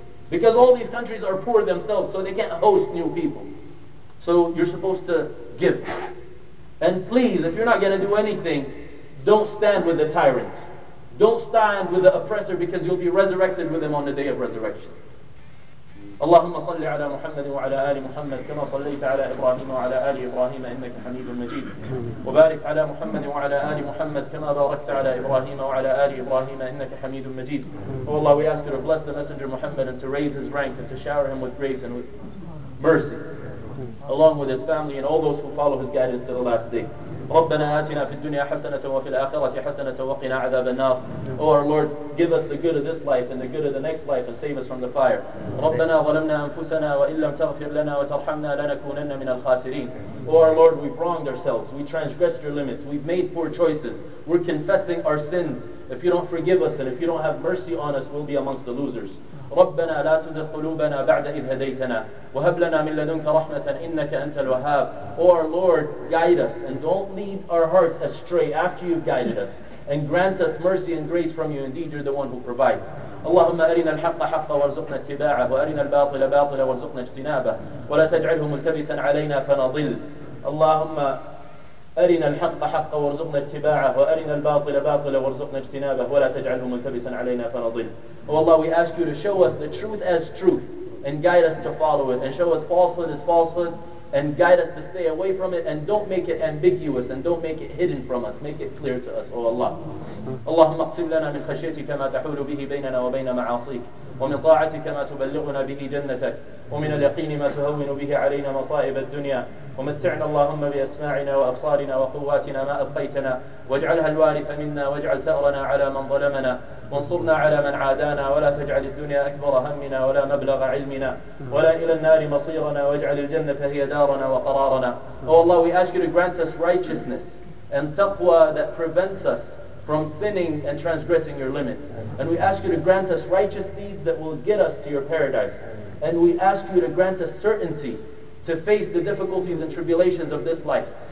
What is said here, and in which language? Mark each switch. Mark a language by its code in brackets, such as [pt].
[en] Because all these countries are poor themselves, so they can't host new people. So you're supposed to give. And please, if you're not going to do anything, don't stand with the tyrant. Don't stand with the oppressor, because you'll be resurrected with him on the day of resurrection. [ar] اللهم صل على محمد وعلى آل محمد كما صليت على إبراهيم وعلى آل إبراهيم إنك حميد مجيد وبارك على محمد وعلى آل محمد كما باركت على إبراهيم وعلى آل إبراهيم إنك حميد مجيد. [en] Oh Allah, we ask you to bless the messenger Muhammad and to raise his rank and to shower him with grace and with mercy along with his family and all those who follow his guidance to the last day. [ar] ربنا آتنا في الدنيا حسنة وفي الآخرة حسنة وقنا عذاب النار. [en] Oh our Lord, give us the good of this life and the good of the next life and save us from the fire. [ar] ربنا ظلمنا أنفسنا وإن لم تغفر لنا وترحمنا لنكونن من الخاسرين. [en] Oh our Lord, we've wronged ourselves, we transgressed your limits, we've made poor choices, we're confessing our sins. If you don't forgive us and if you don't have mercy on us, we'll be amongst the losers. [ar] ربنا لا تزغ قلوبنا بعد إذ هديتنا وهب لنا من لدنك رحمة إنك أنت الوهاب. [en] Oh our Lord, guide us and don't lead our hearts astray after you've guided us, and grant us mercy and grace from you. Indeed, you're the one who provides. [ar] اللهم أرنا الحق حقا وارزقنا اتباعه وأرنا الباطل باطلا وارزقنا اجتنابه ولا تجعله ملتبسا علينا فنضل. اللهم أرنا الحق حقا وارزقنا اتباعه وأرنا الباطل باطلا وارزقنا اجتنابه ولا تجعله ملتبسا علينا فنضل. [en] Oh Allah, we ask you to show us the truth as truth and guide us to follow it, and show us falsehood as falsehood and guide us to stay away from it, and don't make it ambiguous and don't make it hidden from us. Make it clear to us, oh Allah. [ar] اللهم اقسم لنا من خشيتك ما تحول به بيننا وبين معاصيك ومن طاعتك ما تبلغنا به جنتك ومن اليقين ما تهون به علينا مصائب الدنيا. ومتعنا اللهم بأسماعنا وأبصارنا وقواتنا ما أبقيتنا واجعلها الوارث منا واجعل ثأرنا على من ظلمنا وانصرنا على من عادانا ولا تجعل الدنيا أكبر همنا ولا مبلغ علمنا ولا إلى النار مصيرنا واجعل الجنة هي دارنا وقرارنا. [en] Oh Allah, we ask you to grant us righteousness and taqwa that prevents us from sinning and transgressing your limits. And we ask you to grant us righteous deeds that will get us to your paradise. And we ask you to grant us certainty to face the difficulties and tribulations of this life.